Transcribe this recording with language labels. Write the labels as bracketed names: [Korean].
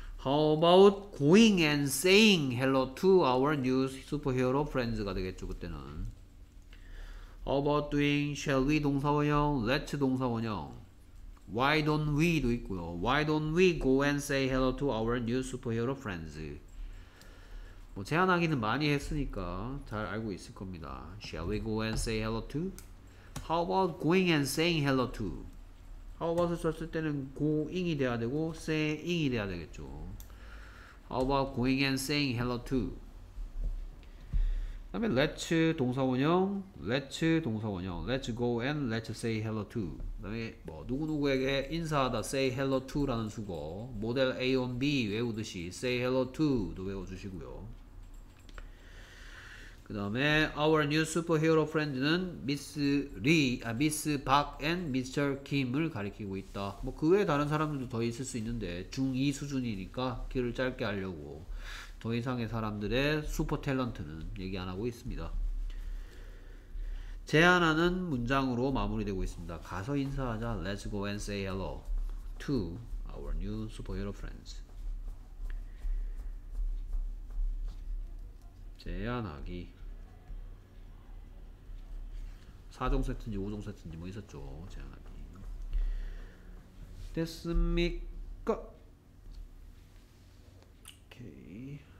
[English] How about going and saying hello to our new superhero friends가 [Korean] 되겠죠. 그때는 [English] How about doing shall we 동사원형 let's 동사원형 Why don't we도 [Korean] 있고요. [English] Why don't we go and say hello to our new superhero friends? [Korean] 뭐 제안하기는 많이 했으니까 잘 알고 있을 겁니다. [English] Shall we go and say hello to? How about going and saying hello to? [Korean] How about을 썼을 때는 going이 돼야 되고 saying이 돼야 되겠죠. [English] How about going and saying hello to? [Korean] 그 다음에 [English] let's 동사원형 let's 동사원형 let's go and let's say hello to 그 다음에 [Korean] 뭐 누구누구에게 인사하다 [English] say hello to [Korean] 라는 수거 모델 [English] A on B [Korean] 외우듯이 [English] say hello to도 [Korean] 외워주시고요. 그 다음에 [English] our new superhero friend는 미스 박 and Mr. [Korean] Kim을 가리키고 있다. 뭐 그 외에 다른 사람들도 더 있을 수 있는데 중2 수준이니까 길을 짧게 하려고 더 이상의 사람들의 슈퍼 탤런트는 얘기 안 하고 있습니다. 제안하는 문장으로 마무리되고 있습니다. 가서 인사하자. [English] Let's go and say hello to our new superhero friends. [Korean] 제안하기 4종 세트인지 5종 세트인지 뭐 있었죠. 제안하기 됐습니까? 오케이.